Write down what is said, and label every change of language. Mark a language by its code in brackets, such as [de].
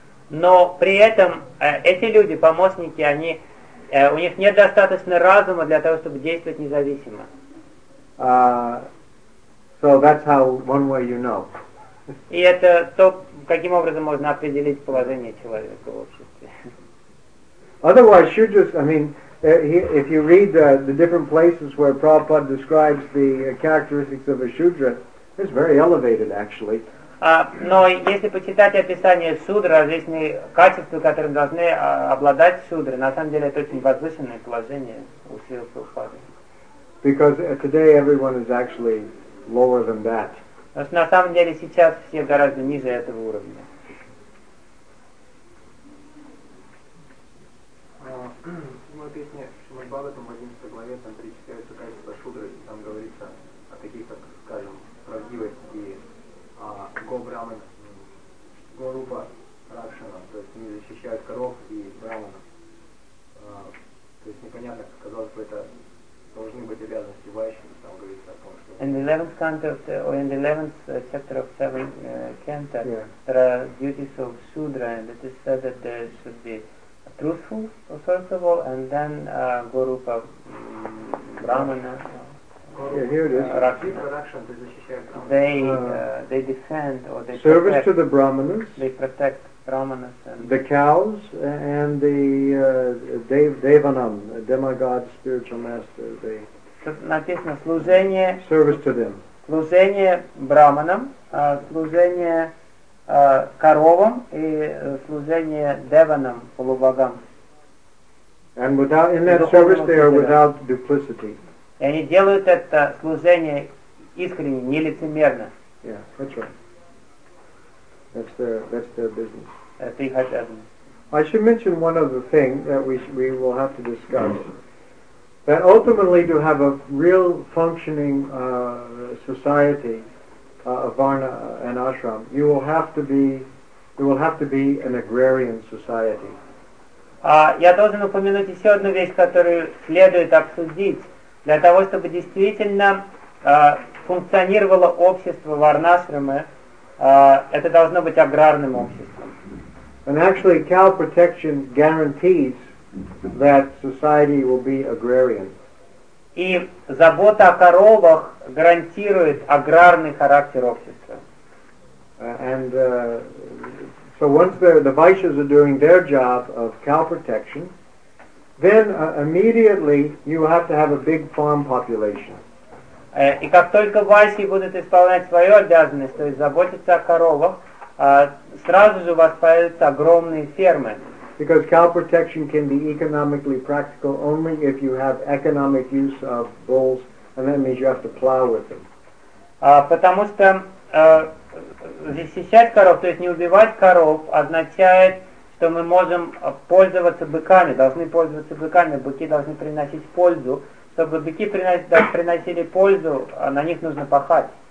[ru] Но при этом эти люди, помощники, они у них нет достаточно разума для того, чтобы действовать независимо. [en] So that's how one way you know. [ru] И это то, каким образом можно определить положение человека в обществе. [en] Otherwise, shudras. I mean, if you read the different places where Prabhupada describes the characteristics of a shudra, it's very elevated, actually. [ru] Но если почитать описание шудры, различные качества, которыми должны обладать шудры, на самом деле это очень возвышенное положение у Сил Прабхупады. [en] Because today everyone is actually lower than that. [ru] Потому что на самом деле сейчас все гораздо ниже этого уровня. В песне Шримад-Бхагаватам в 11 главе там перечисляются качества шудры, и там говорится о каких-то, скажем, правдивости, го-брамен, го-рупа, ракшана, то есть они защищают коров и брамана. То есть непонятно, казалось бы, это должны быть обязанности вайшин, там говорится о том, что... [en] In the 11th canto, or in the 11th chapter of 7th canto, there are duties of shudra, and it is said that there should be truthful, first of all, and then Gorupa Brahmana. Yeah, here it is. They defend or they service protect, to the Brahmanas. They protect Brahmanas and the cows and the Devanam, demigod, spiritual master. They [ru] написано служение. [en] Service to them. [ru] Служение Брахманам, служение коровам и служение деванам, полубогам. [en] And without, in that service they are without duplicity. [ru] И они делают это служение искренне, нелицемерно. [en] Yeah, that's right. That's their business. [ru] Это их обязанность. [en] I should mention one other thing that we will have to discuss. That ultimately to have a real functioning society, a varna, an ashram, you will have to be an agrarian society. [ru] Я должен упомянуть еще одну вещь, которую следует обсудить для того, чтобы действительно функционировало общество варнашрамы. Это должно быть аграрным обществом. [en] And actually, cow protection guarantees that society will be agrarian. [ru] И забота о коровах гарантирует аграрный характер общества. [en] And so once the Vaishyas are doing their job of cow protection, then immediately you have to have a big farm population. [ru] И как только Вайши будут исполнять свою обязанность, то есть заботиться о коровах, сразу же у вас появятся огромные фермы. [en] Because cow protection can be economically practical only if you have economic use of bulls, and that means you have to plow with them. [ru] Потому что защищать коров, то есть не убивать коров, означает, что мы можем пользоваться быками, должны пользоваться быками, быки должны приносить пользу. Чтобы быки приносили пользу, на них нужно пахать.